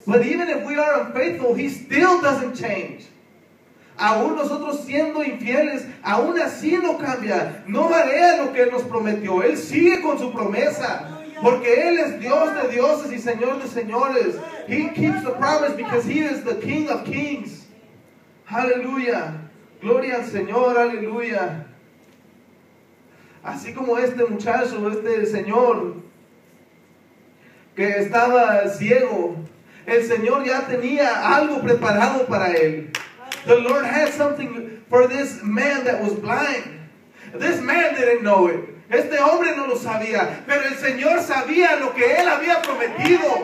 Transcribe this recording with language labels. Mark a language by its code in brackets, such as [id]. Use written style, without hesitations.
[en] But even if we are unfaithful, he still doesn't change. [es] Aún nosotros siendo infieles, aún así no cambia. No varía lo que nos prometió. Él sigue con su promesa. Porque Él es Dios de dioses y Señor de señores. [en] He keeps the promise because He is the King of kings. [es] Aleluya. Gloria al Señor. Aleluya. Así como este muchacho, este señor, que estaba ciego, el Señor ya tenía algo preparado para él. [en] The Lord had something for this man that was blind. This man didn't know it. [es] Este hombre no lo sabía, pero el Señor sabía lo que él había prometido.